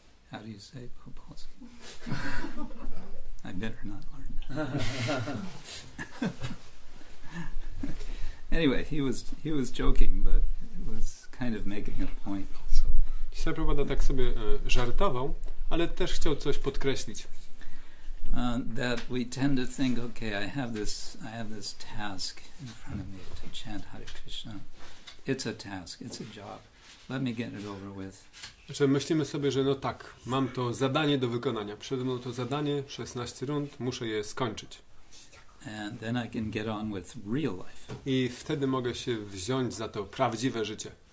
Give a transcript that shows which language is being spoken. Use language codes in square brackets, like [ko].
[en] How do you say proposal? I better not learn. Anyway, he was joking, but it was kind of making a point also. [pl] Śla Prabhupada tak sobie żartował, ale też chciał coś podkreślić. [en] That we tend to think, okay, I have this task in front of me to chant Hare Krishna. It's a task, it's a job. Let me get it over with. [pl] Znaczy, myślimy sobie, że no tak, mam to zadanie do wykonania. Przede mną to zadanie, 16 rund, muszę je skończyć. [en] And then I can get on with real life. [pl] I wtedy mogę się wziąć za to prawdziwe życie.